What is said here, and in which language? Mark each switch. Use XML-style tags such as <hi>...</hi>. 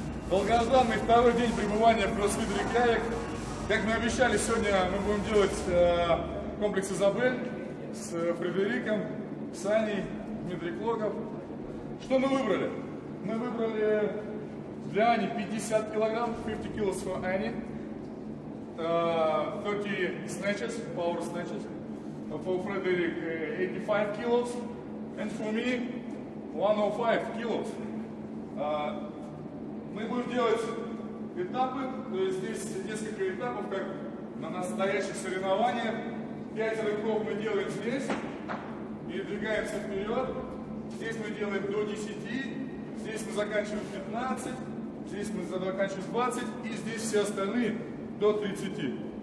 <ru>Долгожданный второй день пребывания в CrossFit Рейкьявик. Как мы обещали, сегодня мы будем делать комплекс Изабель с Фредериком, Саней, Дмитрий Клоков. Что мы выбрали? Мы выбрали для Ани 50 кг,</ru> <en>50 кг for Ани, 30 snatches, power snatches, for Frederick 85 kg, and for me 105 kg.</en> <ru>Мы будем делать этапы, то есть здесь несколько этапов, как на настоящих соревнованиях. 5 рывков мы делаем здесь, и двигаемся вперед. Здесь мы делаем до 10, здесь мы заканчиваем 15, здесь мы заканчиваем 20, и здесь все остальные до 30.</ru>